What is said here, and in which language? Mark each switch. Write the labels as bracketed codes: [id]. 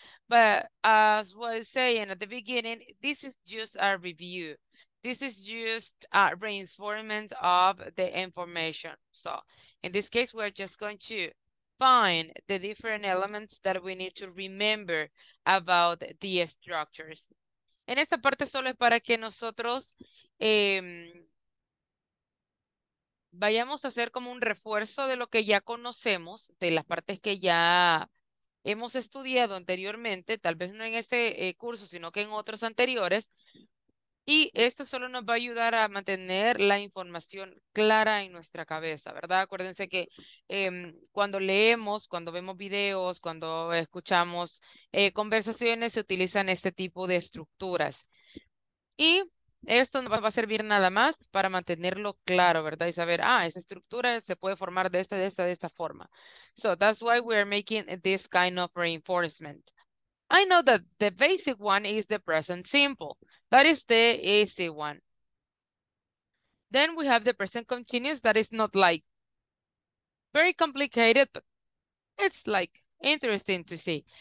[en] But as I was saying at the beginning, this is just a review. This is just a reinforcement of the information. So in this case, we're just going to find the different elements that we need to remember about the structures. [es] En esta parte solo es para que nosotros vayamos a hacer como un refuerzo de lo que ya conocemos, de las partes que ya hemos estudiado anteriormente, tal vez no en este curso, sino que en otros anteriores. Y esto solo nos va a ayudar a mantener la información clara en nuestra cabeza, ¿verdad? Acuérdense que cuando leemos, cuando vemos videos, cuando escuchamos conversaciones, se utilizan este tipo de estructuras. Y esto no va a servir nada más para mantenerlo claro, ¿verdad? Y saber, ah, esa estructura se puede formar de esta, de esta, de esta forma. [en] So that's why we are making this kind of reinforcement. I know that the basic one is the present simple. That is the easy one. Then we have the present continuous that is not like very complicated, but it's like interesting to see.